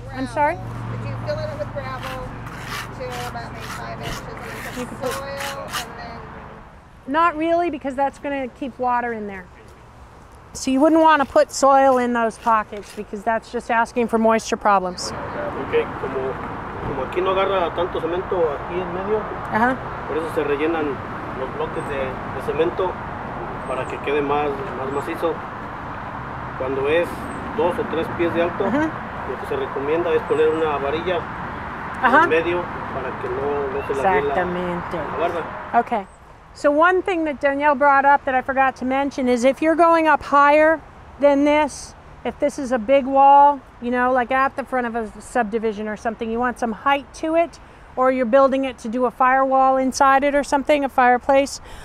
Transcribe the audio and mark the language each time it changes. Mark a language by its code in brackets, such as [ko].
[en] I'm sorry? About maybe 5 inches of soil, and then... Not really, because that's going to keep water in there. So you wouldn't want to put soil in those pockets, because that's just asking for moisture problems. [es] Okay, como aquí no agarra tanto cemento aquí en medio, por eso se rellenan los bloques de cemento para que quede más macizo. Cuando es 2 o 3 pies de alto, lo que se recomienda es poner una varilla. Exactamente. Okay. [en] So one thing that Danielle brought up that I forgot to mention is if you're going up higher than this, if this is a big wall, you know, like at the front of a subdivision or something, you want some height to it, or you're building it to do a firewall inside it or something, a fireplace.